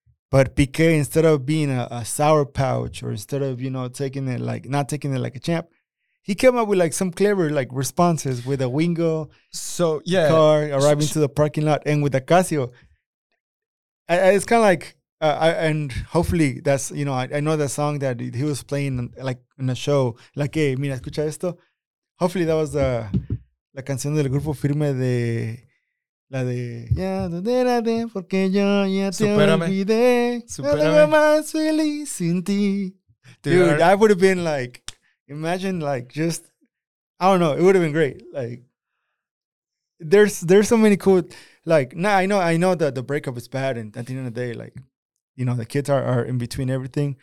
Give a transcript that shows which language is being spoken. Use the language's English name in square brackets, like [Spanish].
[English] But Piqué, instead of being a sour pouch, or instead of, you know, not taking it like a champ, he came up with like some clever like responses with a Wingo car arriving to the parking lot and with a Casio. It's kind of like and hopefully that's, you know, I know that song that he was playing like in a show, like, hey, [Spanish] mira, escucha esto. [English] Hopefully that was [Spanish] la canción del grupo Firme de. La de ya donde era de porque yo ya te olvidé. Superame. No era más feliz sin ti. [English] Dude, I would have been like, imagine like just, I don't know, it would have been great. Like, there's so many cool, like, now I know that the breakup is bad, and at the end of the day, like, you know, the kids are in between everything.